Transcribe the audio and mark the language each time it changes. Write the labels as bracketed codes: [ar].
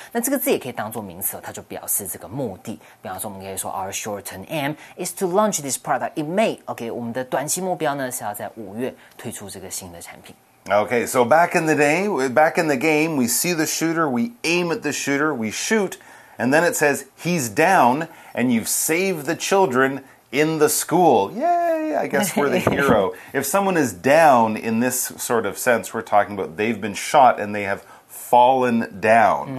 [zh] 那这个字也可以当作名词它就表示这个目的。比方说我们可以说 [en] our short-term aim is to launch this product in May. [zh] OK, 我们的短期目标呢是要在五月推出这个新的产品。 [en] OK, so back in the day, back in the game, we see the shooter, we aim at the shooter, we shoot, and then it says, he's down, and you've saved the children in the school. Yay, I guess we're the hero. If someone is down in this sort of sense, we're talking about they've been shot and they have fallen down.、Mm-hmm.